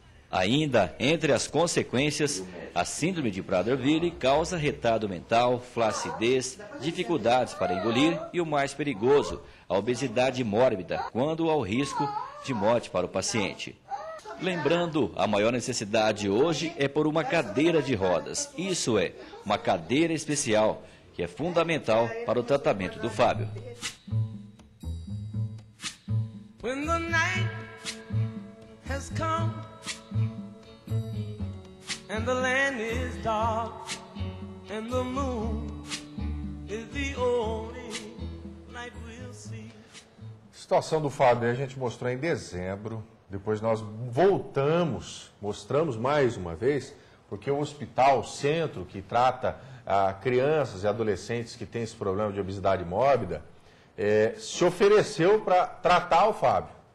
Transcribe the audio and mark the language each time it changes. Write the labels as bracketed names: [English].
[Portuguese] Ainda, entre as consequências, a síndrome de Prader-Willi causa retardo mental, flacidez, dificuldades para engolir e, o mais perigoso, a obesidade mórbida, quando há o risco de morte para o paciente. Lembrando, a maior necessidade hoje é por uma cadeira de rodas. Isso é, uma cadeira especial, que é fundamental para o tratamento do Fábio. [English] When the night has come and the land is dark and the moon is the only light we'll see. [Portuguese] Situação do Fábio a gente mostrou em dezembro. Depois nós voltamos, mostramos mais uma vez, Porque o hospital, o centro que trata crianças e adolescentes que têm esse problema de obesidade mórbida, se ofereceu para tratar o Fábio.